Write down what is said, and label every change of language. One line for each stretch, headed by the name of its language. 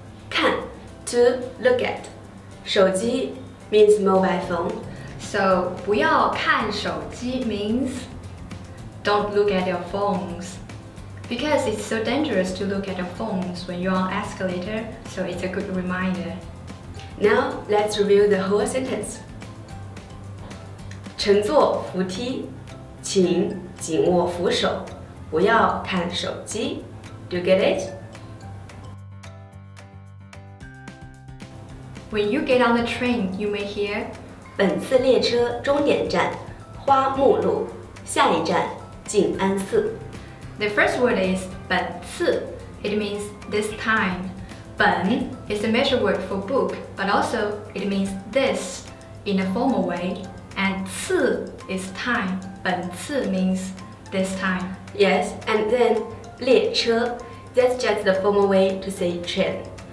English: 看 to look at. 手机 means mobile phone. So
Chinese: 不要看手机
English: meansDon't look at your phones. Because it's so dangerous to look at your phones when you're on escalator, so it's a good reminder. Now, let's review the whole sentence.
Chinese: 乘坐扶梯，请紧握扶手，不要看手机。
English: Do you get it? When you get on the train, you may hear
Chinese: 本次列车终点站，花木路，下一站静安寺。
English: The first word is 本次.It means this time. 本 is the measure word for book, but also it means this in a formal way. And 次 is time. 本次 means this time. Yes, and then 列车, that's just the formal way to say train.